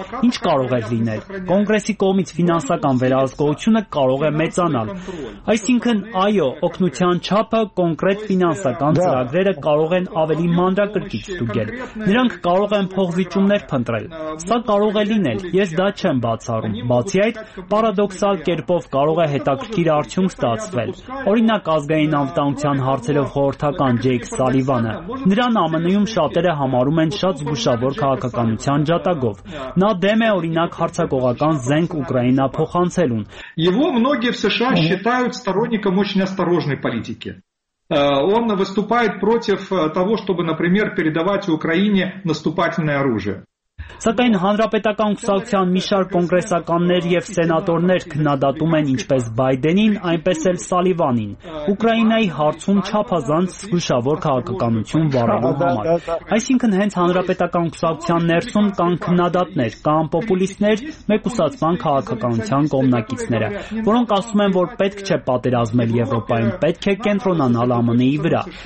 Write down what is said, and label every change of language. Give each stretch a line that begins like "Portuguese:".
Armenian: Ինչ կարող է լինել։ Կոնգրեսի կողմից ֆինանսական վերահսկողությունը կարող է մեծանալ։ Այսինքն, այո, օգնության չափը կոնկրետ ֆինանսական ծրագրերը կարող են ավելի մանրակրկիտ ստուգել։ Նրանք կարող են փոխվիճումներ փնտրել։ Սա կարող է լինել, ես դա չեմ բացառում։ Բացի այդ, պարադոքսալ կերպով կարող է հետաքրքիր արդյունք ստացվել։ Օրինակ, ազգային անվտանգության հարցերով խորհրդական Ջեյք Սալիվանը, նրան ԱՄՆ-ում շատերը համարում են շատ զգուշավոր քաղաքականության ջատագով։ Նա դեմ է օրինակ հարցակողական զենք Ուկրաինա փոխանցելուն։
Russian: Его многие в США считают сторонником очень осторожной политики. Он выступает против того, чтобы, например, передавать Украине наступательное оружие.
Armenian: Սակայն հանրապետական կուսակցության մի շարք կոնգրեսականներ եւ սենատորներ քննադատում են ինչպես Բայդենին, այնպես էլ Սալիվանին, Ուկրաինայի հարցում չափազանց զգուշավոր քաղաքականություն վարելու համար։ Այսինքն, հենց հանրապետական կուսակցության ներսում կան քննադատներ, կան պոպուլիստներ, մեկուսացման քաղաքականության կողմնակիցները, որոնք ասում են, որ պետք չէ պատերազմել Եվրոպայում, պետք է կենտրոնանալ ԱՄՆ-ի վրա։